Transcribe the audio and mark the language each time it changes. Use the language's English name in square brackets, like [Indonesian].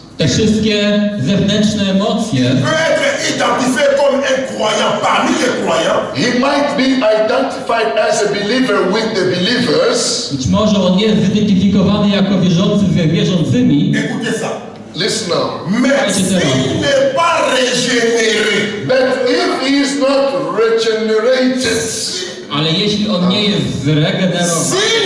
[Polish] te wszystkie zewnętrzne emocje, [French] peut être identifié comme un croyant parmi les croyants. [English] He might be identified as a believer with the believers. [Polish] Być może on jest zidentyfikowany jako wierzący z wierzącymi. [French] Écoutez ça. [English] Listen now. [French] Mais s'il n'est pas régénéré, [English] but if he is not regenerated. [Polish] Ale jeśli on nie jest zregenerowany,